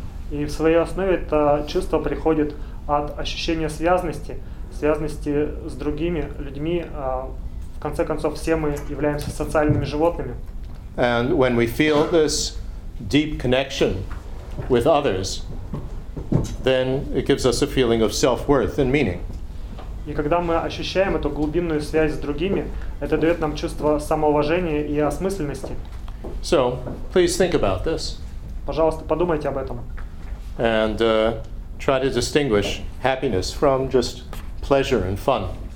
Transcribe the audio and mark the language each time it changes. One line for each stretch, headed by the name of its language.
Russian: И в своей основе это чувство приходит от ощущения связности, связности с другими людьми. В конце концов, все мы являемся социальными животными.
English: And when we feel this deep connection with others, then it gives us a feeling of self-worth and meaning.
Russian: И когда мы ощущаем эту глубинную связь с другими, это дает нам чувство самоуважения и осмысленности.
English: So, please think about this.
Russian: Пожалуйста, подумайте об этом.
English: And try to distinguish happiness from just pleasure and fun.